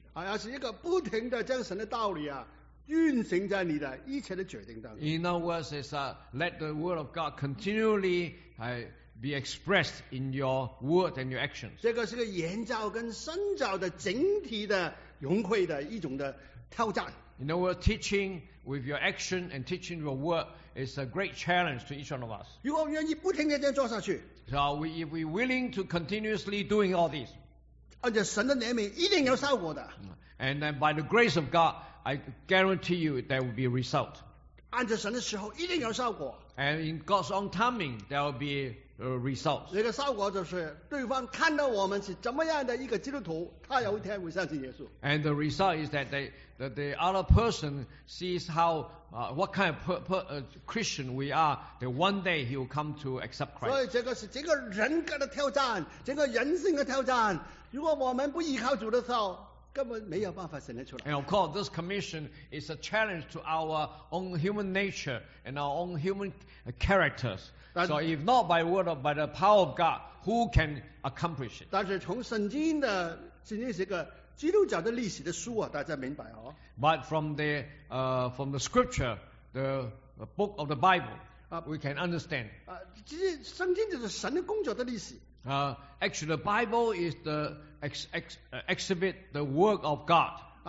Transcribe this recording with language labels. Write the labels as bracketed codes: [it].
[zh] 要是一个不停的将神的道理啊，运行在你的一切的决定当中。 [en] In other words, let the word of God continually be expressed in your word and your actions. [zh] 这个是个研造跟深造的整体的融汇的一种的挑战。 [en] In other words, teaching with your action and teaching with your word is a great challenge to each one of us. [zh] 如果我们愿意不停地这样做下去, [en] so if we're willing to continuously doing all this, [zh] 而且神的怜悯一定有效果的, [en] and then by the grace of God, I guarantee you there will be a result. [zh] 按着神的时候一定有效果, [en] and in God's own timing, there will be a result. [zh] 这个效果就是对方看到我们是怎么样的一个基督徒, 他有一天会相信耶稣。 [en] And the result is that the other person sees how what kind of Christian we are, that one day he will come to accept Christ. [zh] 所以这个是整个人格的挑战, 整个人性的挑战, 如果我们不依靠主的时候, [en] and of course, this commission is a challenge to our own human nature and our own human characters. So if not by word of, by the power of God, who can accomplish it? [zh] 但是从圣经的, 圣经是一个基督教的历史的书啊, 大家明白哦? [en] But from the scripture, the book of the Bible, we can understand. [zh] 其实圣经就是神的工作的历史。 [en] Actually, the Bible is the exhibit the work of God.